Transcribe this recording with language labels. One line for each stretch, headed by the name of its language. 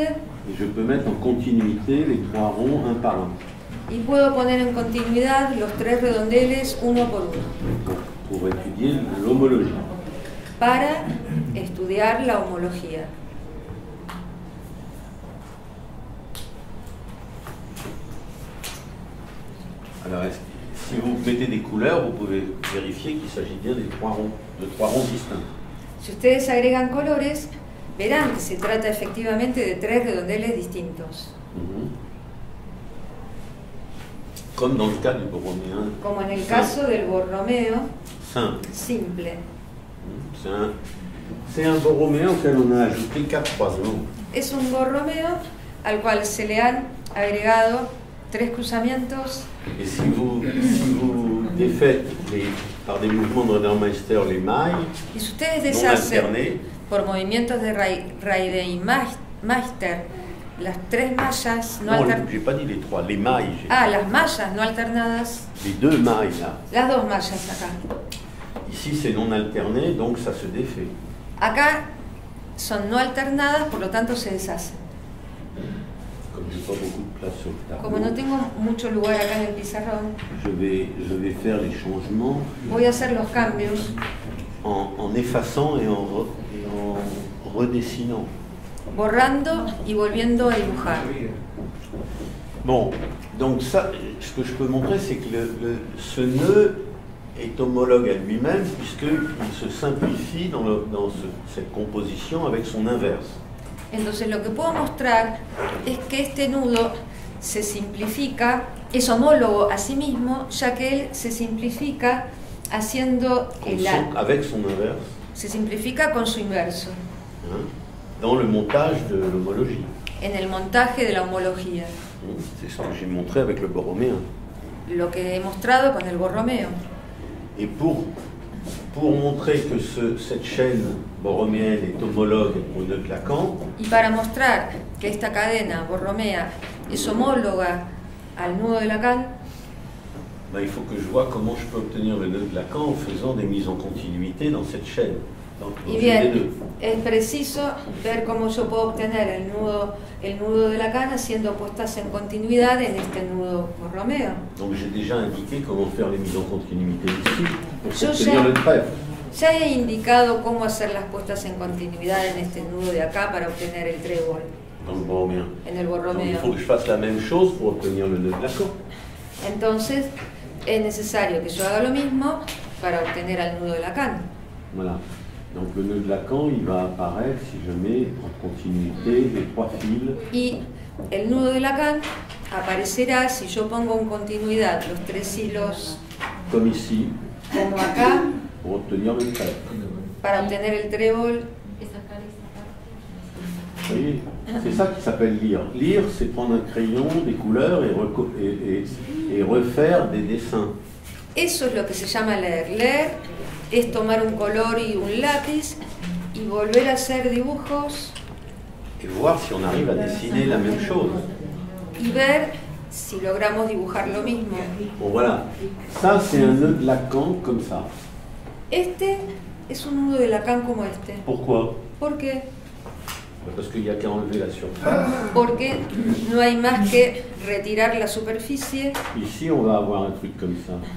French: Et je peux mettre en continuité les trois ronds un par un.
Spanish: Y puedo poner en continuidad los tres redondeles uno por uno.
French: Pour étudier l'homologie.
Spanish: Para estudiar la homología.
French: Alors, si vous mettez des couleurs, vous pouvez vérifier qu'il s'agit bien des trois ronds, de trois ronds distincts.
Spanish: Si ustedes agregan colores, verán que se trata efectivamente de tres redondeles distintos. Mm-hmm.
French: Comme dans le cas du borroméen.
Spanish: Como en el simple. Caso del borromeo. Simple.
French: C'est un borroméen auquel on a ajouté quatre croisements.
Spanish: Es un borromeo al cual se le han agregado tres cruzamientos.
French: Et si vous défaites par des mouvements de Rademeister les mailles, et si vous alternez par mouvements de Rademeister les trois mailles, j'ai pas dit les trois, les mailles. Les mailles non alternées. Les deux mailles là.
Spanish: Las dos mallas acá.
French: Ici c'est non alterné, donc ça se défait.
Spanish: Acá son no alternadas, por lo tanto se deshacen.
French: Comme je n'ai pas beaucoup de place sur le tableau.
Spanish: Como no tengo mucho lugar acá en el pizarrón.
French: Je vais faire les changements.
Spanish: Voy a hacer los cambios.
French: En effaçant et en redessinant.
Spanish: Borrando y volviendo a dibujar.
French: Bon, donc ça, ce que je peux montrer, c'est que ce nœud est homologue à lui-même puisqu'il se simplifie dans cette composition avec son inverse.
Spanish: Entonces lo que puedo mostrar es que este nudo se simplifica, es homólogo a sí mismo, ya que él se simplifica haciendo el
French: arco. Avec son inverse.
Spanish: Se simplifica con su inverso.
French: Dans le montage de l'homologie.
Spanish: En el montaje de la homología.
French: C'est ce que j'ai montré avec le borroméen.
Spanish: Lo que he mostrado con el borromeo.
French: Et pour montrer que cette chaîne borroméenne est homologue au nœud de Lacan.
Spanish: Y para mostrar que esta cadena borromea es homóloga al nudo de Lacan.
French: Ben, il faut que je vois comment je peux obtenir le nœud de Lacan en faisant des mises en continuité dans cette chaîne.
Spanish: Y bien, es preciso ver cómo yo puedo obtener el nudo de Lacan haciendo puestas en continuidad en este nudo borromeo.
French: Donc j'ai déjà indiqué comment faire les mises en continuité ici pour obtenir le trèfle.
Spanish: Ya he indicado cómo hacer las puestas en continuidad en este nudo de acá para obtener el trébol. En el borromeo. Entonces, es necesario que yo haga lo mismo para obtener el nudo de Lacan.
French: Voilà. Donc le nœud de Lacan, il va apparaître si je mets en continuité les trois fils.
Spanish: Y el nudo de Lacan aparecerá si yo pongo en continuidad los tres hilos
French: comme ici,
Spanish: como acá
French: pour obtenir le trèfle.
Spanish: Para obtener el trébol.
French: Vous voyez, c'est ça qui s'appelle lire. Lire, c'est prendre un crayon, des couleurs et refaire des dessins.
Spanish: Eso es lo que se llama leer. Leer es tomar un color y un lápiz y volver a hacer dibujos.
French: Et voir si on arrive à dessiner la même chose.
Spanish: Y ver si logramos dibujar lo mismo.
French: Bon, voilà. Ça, c'est un nœud de Lacan comme ça.
Spanish: Este es un nudo de Lacan como este.
French: Pourquoi?
Spanish: ¿Por qué?
French: Parce qu'il n'y a qu'à enlever la surface.
Spanish: Porque no hay más que retirar la superficie.
French: Ici, on va avoir un truc comme ça.